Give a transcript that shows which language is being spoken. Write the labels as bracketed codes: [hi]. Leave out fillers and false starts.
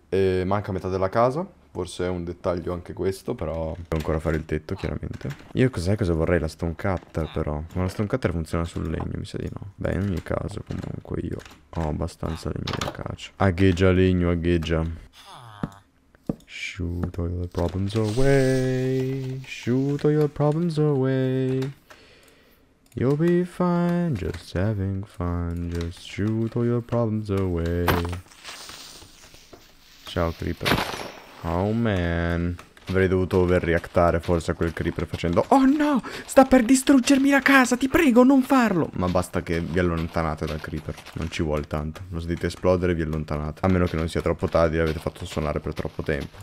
[it] E manca metà della casa. Forse è un dettaglio anche questo, però. Devo ancora fare il tetto, chiaramente. Io cos'è cosa vorrei? La stone cutter, però. Ma la stone cutter funziona sul legno, mi sa di no. Beh, in ogni caso, comunque, io ho abbastanza legno di acacia. Aggeggia legno, aggeggia. [en] Shoot all your problems away. Shoot all your problems away. You'll be fine, just having fun. Just shoot all your problems away. [it] Ciao, creeper. [en] Oh man, [it] avrei dovuto overreactare forse a quel creeper facendo: oh no, sta per distruggermi la casa, ti prego non farlo. Ma basta che vi allontanate dal creeper, non ci vuole tanto. Lo sentite esplodere e vi allontanate. A meno che non sia troppo tardi e l'avete fatto suonare per troppo tempo.